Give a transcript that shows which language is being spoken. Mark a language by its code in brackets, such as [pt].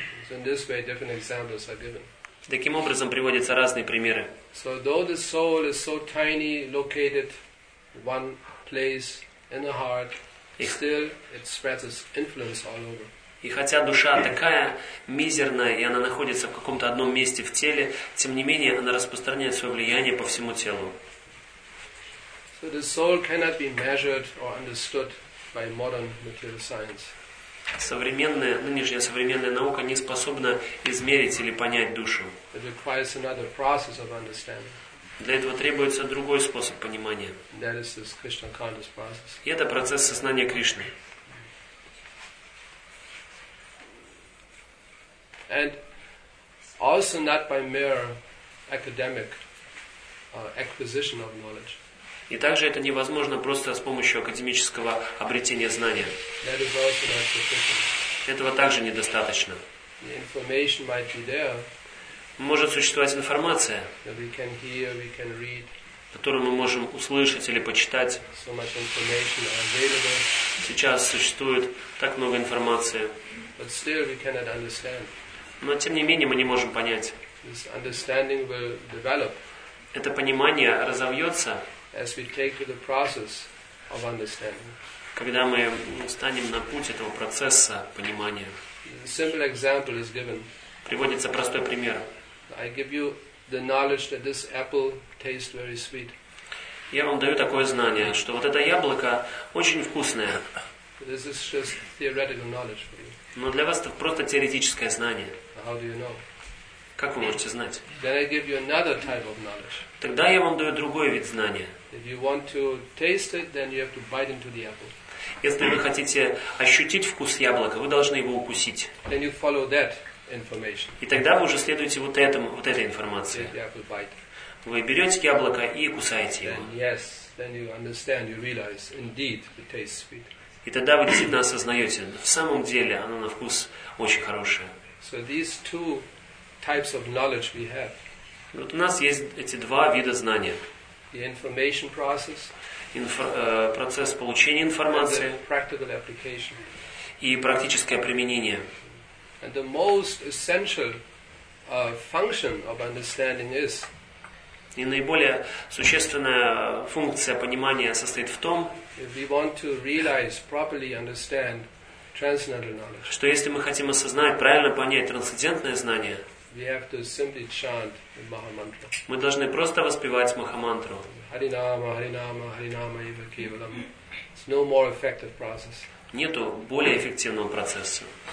[en] So in this way, different examples are given. [ru] Таким образом приводятся разные примеры. [en] So though the soul is so tiny, located one place in the heart, still it spreads its influence all over. [ru] И хотя душа такая мизерная, и она находится в каком-то одном месте в теле, тем не менее она распространяет свое влияние по всему телу. [en] So the soul cannot be measured or understood by modern material science. [ru] Современная, нынешняя современная наука не способна измерить или понять душу. [en] It requires another process of understanding. [ru] Для этого требуется другой способ понимания. [en] That is this Krishna conscious process. [ru] И это процесс сознания Кришны. [en] And also not by mere academic acquisition of knowledge. [ru] И также это невозможно просто с помощью академического обретения знания. [en] That is also not sufficient. [ru] Этого также недостаточно. [en] The information might be there. [ru] Может существовать информация, [en] that we can hear, we can read. [ru] Которую мы можем услышать или почитать. [en] So much information available. [ru] Сейчас существует так много информации. [en] But still we cannot understand. [ru] Но тем не менее мы не можем понять. [en] This understanding will develop. [ru] Это понимание разовьется. [en] As we take to the process of understanding. [ru] Когда мы станем на путь этого процесса понимания. [en] A simple example is given. [ru] Приводится простой пример. [en] I give you the knowledge that this apple tastes very sweet. [ru] Я вам даю такое знание, что вот это яблоко очень вкусное. [en] This is just theoretical knowledge for you. [ru] Но для вас это просто теоретическое знание. [en] How do you know? [ru] Как вы можете знать? [en] Then I give you another type of knowledge. [ru] Тогда я вам даю другой вид знания. [en] If you want to taste it, then you have to bite into the apple. [ru] Если вы хотите ощутить вкус яблока, вы должны его укусить. [en] Then you follow that information. [ru] И тогда вы уже следуете вот этому, вот этой информации. [en] The apple bite. [ru] Вы берете яблоко и кусаете [en] then, [ru] его. [en] Yes, then you understand, you realize, indeed, the taste is sweet. [ru] И тогда вы действительно осознаете, в самом деле оно на вкус очень хорошее. [en] So these two types of knowledge we have. [ru] Вот у нас есть эти два вида знания. [en] The information process. [ru] Процесс получения информации. [en] And the practical application. [ru] И практическое применение. [en] And the most essential function of understanding is. [ru] И наиболее существенная функция понимания состоит в том, [en] if we want to realize, properly understand transcendental knowledge, [ru] что если мы хотим осознать, правильно понять трансцендентное знание, [en] we have to simply chant the Maha Mantra. [ru] Мы должны просто воспевать Махамантру. [sa] Харинама, Харинама, Харинама, Ива Кевалам. [en] It's no more effective process. [ru] Нету более эффективного процесса.